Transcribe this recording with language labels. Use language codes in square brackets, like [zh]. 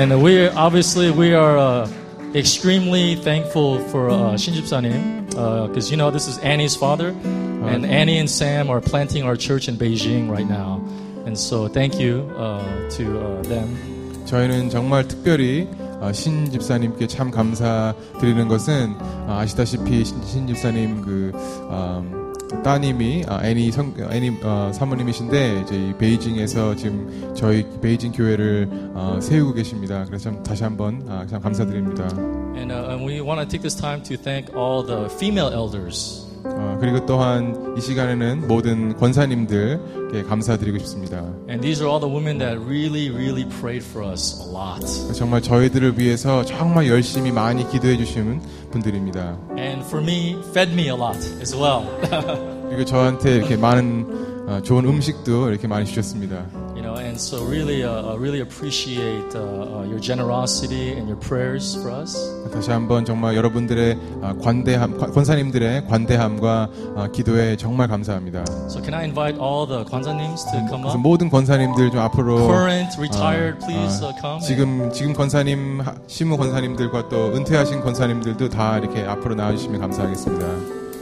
[en] We are extremely thankful for Shin Jipsa-nim because you know this is Annie's father, and Annie and Sam are planting our church in Beijing right now, and so thank you to them. [ko] 저희는 정말 특별히 신 집사님께 참 감사드리는 것은 아시다시피 신 집사님 그 따님이 애니 성 애니 사모님이신데 저희 베이징에서 지금 저희 베이징 교회를 세우고 계십니다. 그래서 다시 한번 참 감사드립니다. [en] And we want to take this time to thank all the female elders. [ko] 그리고 또한 이 시간에는 모든 권사님들께 감사드리고 싶습니다. [en] And these are all the women that really, really prayed for us a lot. [ko] 정말 저희들을 위해서 정말 열심히 많이 기도해 주시는 분들입니다. [en] And for me, fed me a lot as well. [ko] 그리고 저한테 이렇게 많은 좋은 음식도 이렇게 많이 주셨습니다. [en] You know, and so really, really appreciate your generosity and your prayers for us. [ko] 다시 한번 정말 여러분들의 관대함, 권사님들의 관대함과 기도에 정말 감사합니다. [en] So can I invite all the 권사님s to come up? [ko] 모든 권사님들 좀 앞으로 [en] current, retired, please come. [ko] 지금 권사님, 신무 권사님들과 또 은퇴하신 권사님들도 다 이렇게 앞으로 나와주시면 감사하겠습니다.